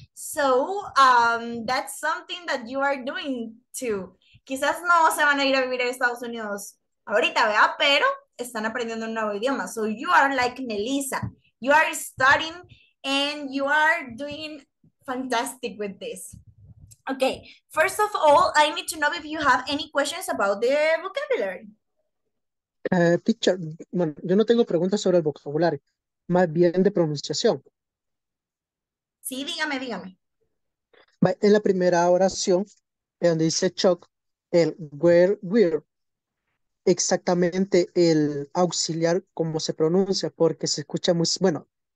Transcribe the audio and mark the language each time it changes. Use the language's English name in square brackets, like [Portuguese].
[English] So that's something that you are doing too. [Spanish] Quizás no se van a ir a vivir a Estados Unidos ahorita, ¿verdad? Pero están aprendiendo un nuevo idioma. [English] So you are like Melissa. You are studying and you are doing fantastic with this. Okay, first of all, I need to know if you have any questions about the vocabulary. [Spanish] Teacher, bueno, yo no tengo preguntas sobre el vocabulario, más bien de pronunciación. Sí, dígame, dígame. En la primera oración, donde dice Chuck, el where, exactamente el auxiliar, cómo se pronuncia, porque se escucha muy, bueno.